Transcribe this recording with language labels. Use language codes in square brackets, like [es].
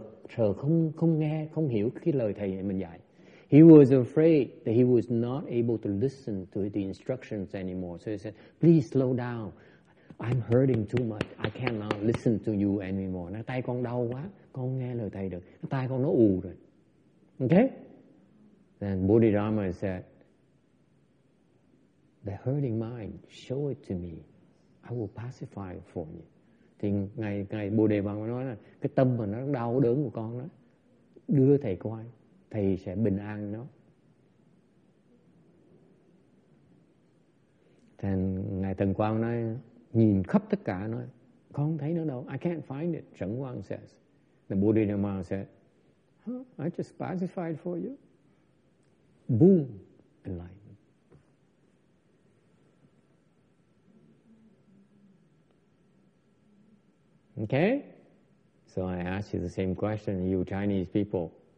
[vi] Sợ, không nghe, không hiểu cái lời thầy mình dạy. [en] He was afraid that he was not able to listen to the instructions anymore. So he said, please slow down. I'm hurting too much. I cannot listen to you anymore. [vi] Nói, tay con đau quá, con nghe lời thầy được. Tay con nó ù rồi. Okay? [en] Then Bodhidharma said, the hurting mind, show it to me. I will pacify it for you. [vi] Thì ngày Bồ Đề Văn nói là cái tâm mà nó đau đớn của con đó, đưa thầy coi, thầy sẽ bình an nó. Thì ngài Thần Quang nói, nhìn khắp tất cả nói, con không thấy nó đâu. [en] I can't find it, Trần Quang says. The Bodhidharma said, huh, I just pacified for you. Boom, enlightenment. Okay? So I ask you the same question, you Chinese people.